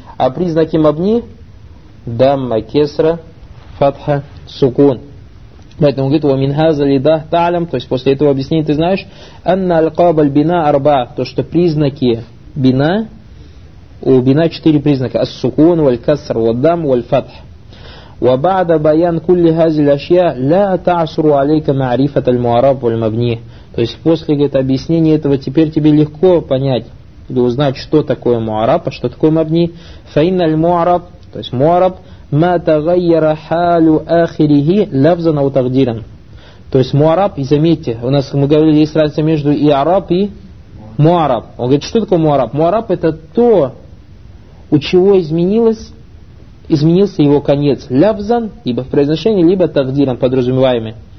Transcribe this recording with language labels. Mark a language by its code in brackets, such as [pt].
[ru] А признаки мабни? Дамма, кесра, фатха, сукун. Поэтому он говорит, [ar] ва мин хаза лидах та'лям, [ru] то есть после этого объяснения ты знаешь, [ar] анна аль-каба аль-бина арба, [ru] то что признаки бина, у бина четыре признака, [ar] ас-сукун, валь-кассар, валь-дам, валь-фатх. وبعد بيان كل هذه الأشياء لا تعسر عليك معرفة المعرب والمبني. [ru] То есть после, говорит, объяснения этого теперь тебе легко понять или узнать, что такое муараб, а что такое мабни. [ar] فإن المعرب, [ru] то есть муараб, [ar] ما تغير حال آخره لفظا أو تقديرا. [ru] То есть муараб, и заметьте, у нас мы говорили, есть разница между иараб и муараб. Он говорит, что такое муараб? Муараб — это то, у чего изменился его конец. Лявзан, либо в произношении, либо тагдиром подразумеваемый.